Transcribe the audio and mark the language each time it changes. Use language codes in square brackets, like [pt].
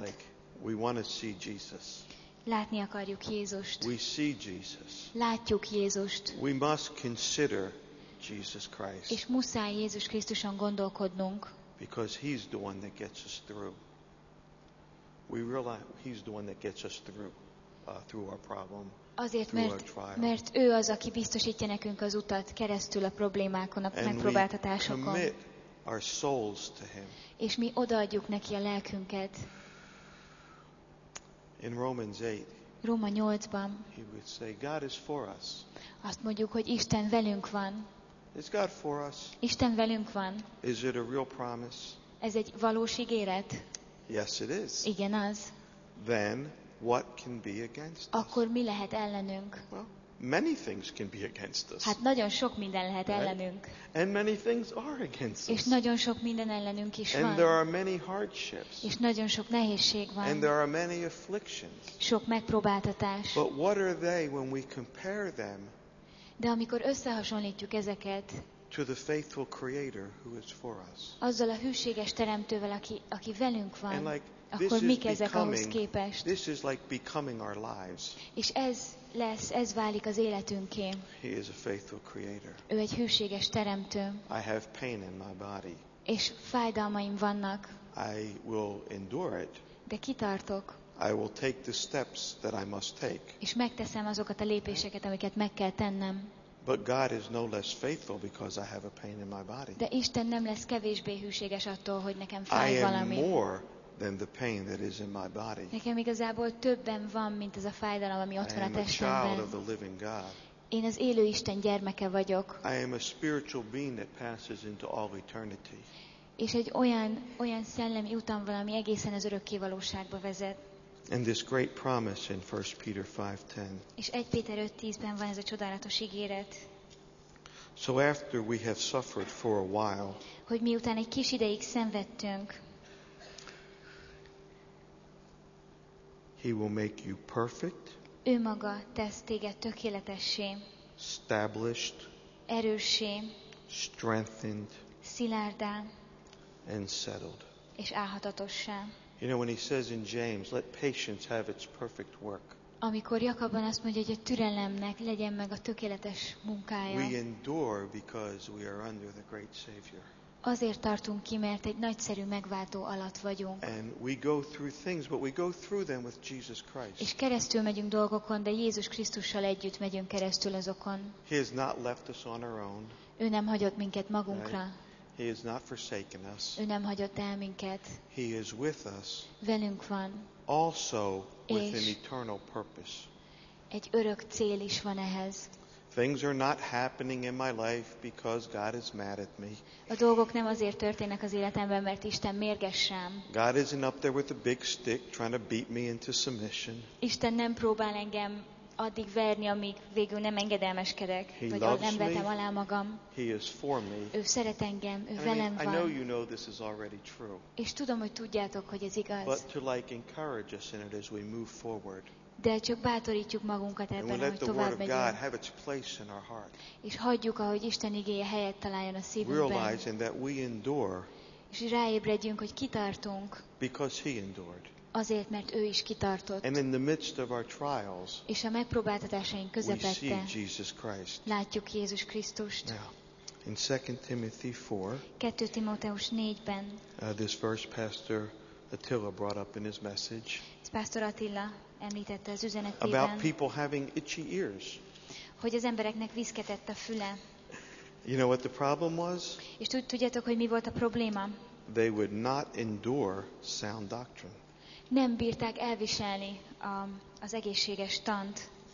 [en] Like, we want to see Jesus. [hu] Látni akarjuk Jézust. [en] We see Jesus. [hu] Látjuk Jézust. [en] We must consider Jesus Christ. [hu] És muszáj Jézus Krisztuson gondolkodnunk. [en] Because he's the one that gets us through. we realize he's the one that gets us through through our problem. [hu] Azért, mert ő az, aki biztosítja nekünk az utat keresztül a problémákon, a megpróbáltatásokon. [en] And we commit our souls to him. [hu] És mi odaadjuk neki a lelkünket. [en] In Romans 8, [hu] Róma 8-ban [en] he would say, God is for us. [hu] Azt mondjuk, hogy Isten velünk van. [en] Is God for us? [hu] Isten velünk van. [en] Is it a real promise? [hu] Ez egy valós ígéret? [en] Yes, it is. [hu] Igen, az. [en] Then, what can be against us? [hu] Akkor mi lehet ellenünk? [en] Many things can be against us. [hu] Hát nagyon sok minden lehet [en] right? [hu] ellenünk. [en] And many things are against us. [hu] És nagyon sok minden ellenünk is [en] and [hu] van. [en] There are many hardships. [hu] És nagyon sok nehézség van. [en] And there are many afflictions. [hu] Sok megpróbáltatás. [en] But what are they when we compare them? [hu] De amikor összehasonlítjuk ezeket [en] to the faithful creator who is for us. [hu] Azzal a hűséges teremtővel, aki velünk van. Akkor mik ezek ahhoz képest? [en] This is like becoming our lives. [hu] És ez lesz, ez válik az életünké. [en] He is a faithful creator. [hu] Ő egy hűséges teremtő. [en] I have pain in my body. [hu] És fájdalmaim vannak. [en] I will endure it. [hu] De kitartok. [en] I will take the steps that I must take. [hu] És megteszem azokat a lépéseket, amiket meg kell tennem. [en] But God is no less faithful because I have a pain in my body. [hu] De Isten nem lesz kevésbé hűséges attól, hogy nekem fáj valami. [en] I am more than the pain that is in my body. [hu] Nekem igazából többen van, mint ez a fájdalom, ami ott van a testemben. [en] I am a child of the living God. [hu] Én az élő Isten gyermeke vagyok. [en] I am a spiritual being that passes into all eternity. [hu] És egy olyan szellemi utam van, ami egészen az örökké valóságba vezet. [en] And this great promise in 1 Peter 5:10. [hu] És 1 Péter 5:10-ben van ez a csodálatos ígéret. [en] So after we have suffered for a while. [hu] Hogy miután egy kis ideig szenvedtünk. [en] He will make you perfect. [hu] Ő maga tesz téged tökéletessé. [en] Established. [hu] Erőssé. [en] Strengthened. [hu] Szilárdá. [en] And settled. [hu] És álhatatossá. [en] You know when he says in James, let patience have its perfect work. [hu] Amikor Jakabban azt mondja, hogy a türelemnek legyen meg a tökéletes munkája. [en] We endure because we are under the great Savior. [hu] Azért tartunk ki, mert egy nagyszerű megváltó alatt vagyunk. [en] And we go through things, but we go through them with Jesus Christ. [hu] És keresztül megyünk dolgokon, de Jézus Krisztussal együtt megyünk keresztül azokon. [en] He has not left us on our own. [hu] Ő nem hagyott minket magunkra. [en] He has not forsaken us. [hu] Ő nem hagyott el minket. [en] He is with us. [hu] Velünk van. [en] Also with an eternal purpose. [hu] Egy örök cél is van ehhez. [en] Things are not happening in my life because God is mad at me. [hu] A dolgok nem azért történnek az életemben, mert Isten mérges rám. [en] God isn't up there with a big stick trying to beat me into submission. [hu] Isten nem próbál engem addig verni, amíg végül nem engedelmeskedek, [en] he [hu] vagy nem vetem [en] me, [hu] alá magam. [en] He is for me. [hu] Ő szeret engem, ő [en] and [hu] velem [en] I mean, [hu] van. [en] I know you know this is already true. [hu] És tudom, hogy tudjátok, hogy ez igaz. [en] But to like encourage us in it as we move forward. [hu] De csak bátorítjuk magunkat ebben, [en] and we let [hu] hogy tovább [en] the word of God have its place in our heart. [hu] És hagyjuk, ahogy Isten igéje helyet találjon a szívünkben. [en] Realizing that we endure. [hu] És ráébredjünk, hogy kitartunk. [en] Because he endured. [hu] Azért, mert ő is kitartott. [en] And in the midst of our trials, [hu] és a megpróbáltatásaink közepette [en] we see Jesus Christ. [hu] Látjuk Jézus Krisztust. [en] Now, in 2 Timothy 4, [hu] 2 Timóteus 4-ben [en] this verse Pastor Attila brought up in his message, [hu] Pastor Attila említette az üzenetében, [en] about people having itchy ears. [hu] Hogy az embereknek viszketett a füle. [en] You know what the problem was? [hu] És tudjátok, hogy mi volt a probléma? [en] They would not endure sound doctrine. [hu] Nem bírták elviselni az egészséges tant.